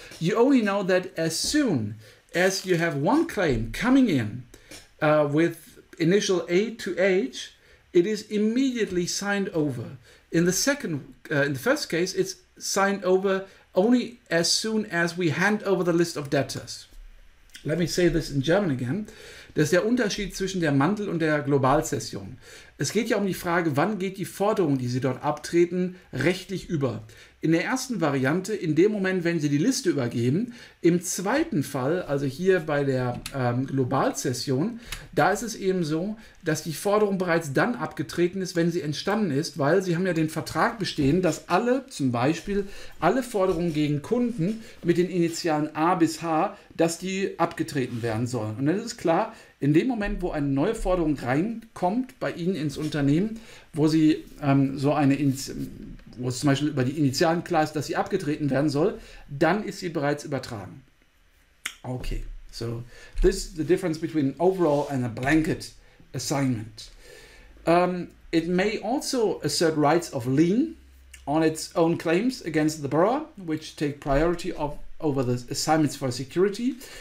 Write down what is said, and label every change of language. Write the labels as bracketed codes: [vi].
[en] You only know that as soon as you have one claim coming in with initial A to H, it is immediately signed over. In the first case, it's signed over only as soon as we hand over the list of debtors. Let me say this in German again. [de] Das ist der Unterschied zwischen der Mantel- und der Globalzession. Es geht ja um die Frage, wann geht die Forderung, die Sie dort abtreten, rechtlich über. In der ersten Variante, in dem Moment, wenn Sie die Liste übergeben. Im zweiten Fall, also hier bei der Globalzession, da ist es eben so, dass die Forderung bereits dann abgetreten ist, wenn sie entstanden ist, weil Sie haben ja den Vertrag bestehen, dass alle, zum Beispiel, alle Forderungen gegen Kunden mit den Initialen A bis H, dass die abgetreten werden sollen. Und dann ist es klar, in dem Moment, wo eine neue Forderung reinkommt bei Ihnen ins Unternehmen, wo Sie wo es zum Beispiel über die Initialen klar ist, dass sie abgetreten werden soll, dann ist sie bereits übertragen. [en] Okay, so this is the difference between overall and a blanket assignment. It may also assert rights of lien on its own claims against the borrower, which take priority over the assignments for security.